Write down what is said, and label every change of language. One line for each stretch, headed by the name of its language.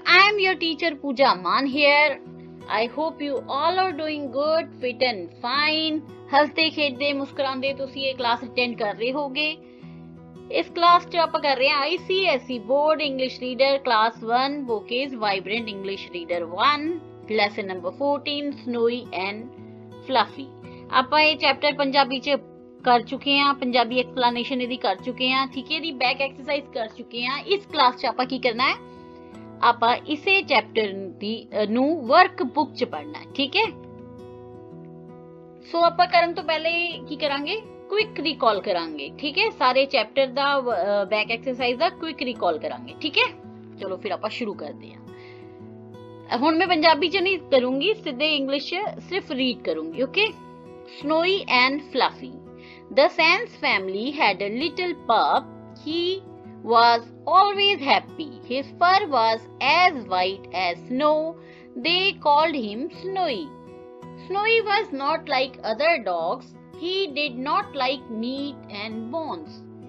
English: I am your teacher Pooja Maan here. I hope you all are doing good, fit and fine.
Punjabi: ਹੱਸਦੇ ਖੇਡਦੇ ਮੁਸਕਰਾਉਂਦੇ ਤੁਸੀਂ ਇਹ class attend ਕਰ ਰਹੇ ਹੋਗੇ। ਇਸ ਕਲਾਸ 'ਚ ਆਪਾਂ ਕਰ ਰਹੇ ਹਾਂ ICSE board English reader class 1 book is vibrant English reader 1 lesson number 14 ਸਨੋਈ and fluffy. ਆਪਾਂ ਇਹ ਚੈਪਟਰ ਪੰਜਾਬੀ 'ਚ ਕਰ ਚੁੱਕੇ ਹਾਂ, ਪੰਜਾਬੀ ਐਕਸਪਲੇਨੇਸ਼ਨ ਇਹਦੀ ਕਰ ਚੁੱਕੇ ਹਾਂ, ਠੀਕ ਹੈ, ਇਹਦੀ ਬੈਕ ਐਕਸਰਸਾਈਜ਼ ਕਰ ਚੁੱਕੇ ਹਾਂ। ਇਸ ਕਲਾਸ 'ਚ ਆਪਾਂ ਕੀ ਕਰਨਾ ਹੈ, ਆਪਾਂ ਇਸੇ ਚੈਪਟਰ ਦੀ ਨੂੰ ਵਰਕ ਬੁੱਕ 'ਚ ਪੜ੍ਹਨਾ, ਠੀਕ ਹੈ। ਸੋ ਆਪਾਂ ਕਰਨ ਤੋਂ ਪਹਿਲੇ ਕੀ ਕਰਾਂਗੇ, ਕੁਇਕ ਰੀਕਾਲ ਕਰਾਂਗੇ, ਠੀਕ ਹੈ, ਸਾਰੇ ਚੈਪਟਰ ਦਾ ਬੈਕ ਐਕਸਰਸਾਈਜ਼ ਦਾ ਕੁਇਕ ਰੀਕਾਲ ਕਰਾਂਗੇ, ਠੀਕ ਹੈ। ਚਲੋ ਫਿਰ ਆਪਾਂ ਸ਼ੁਰੂ ਕਰਦੇ ਹਾਂ। ਹੁਣ ਮੈਂ ਪੰਜਾਬੀ 'ਚ ਨਹੀਂ ਕਰੂੰਗੀ, ਸਿੱਧੇ ਇੰਗਲਿਸ਼ 'ਚ ਸਿਰਫ ਰੀਡ ਕਰੂੰਗੀ, okay.
English: Snowy and fluffy. The Sands family had a little pup. He was always happy. His fur was as white as snow. They called him Snowy. Snowy was not like other dogs. He did not like meat and bones.